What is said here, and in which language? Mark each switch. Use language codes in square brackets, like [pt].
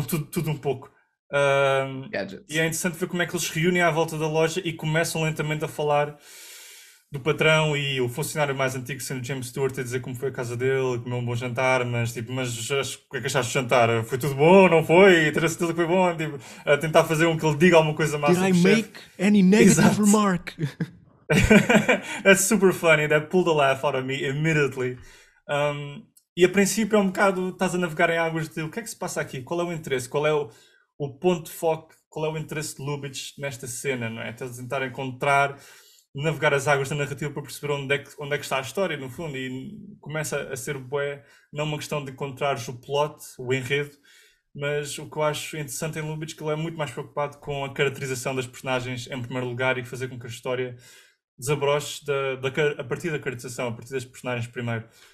[pt] Tudo um pouco. E é interessante ver como é que eles se reúnem à volta da loja e começam lentamente a falar do patrão e o funcionário mais antigo, sendo James Stewart, a dizer como foi a casa dele, comeu um bom jantar, mas o que é que achaste do jantar? Foi tudo bom, não foi? Ter a certeza que foi bom? Tipo, a tentar fazer com que ele diga alguma coisa mais. [en] Did I make any negative remark? That's super funny, that pulled a laugh out of me immediately. [pt] E a princípio é um bocado, estás a navegar em águas de o que é que se passa aqui? Qual é o interesse? Qual é o ponto de foco, qual é o interesse de Lubitsch nesta cena, não é? Até tentar encontrar, navegar as águas da narrativa para perceber onde é que está a história, no fundo, e começa a ser bué, não uma questão de encontrares o plot, o enredo, mas o que eu acho interessante em Lubitsch é que ele é muito mais preocupado com a caracterização das personagens em primeiro lugar e fazer com que a história desabroche a partir da caracterização, a partir das personagens primeiro.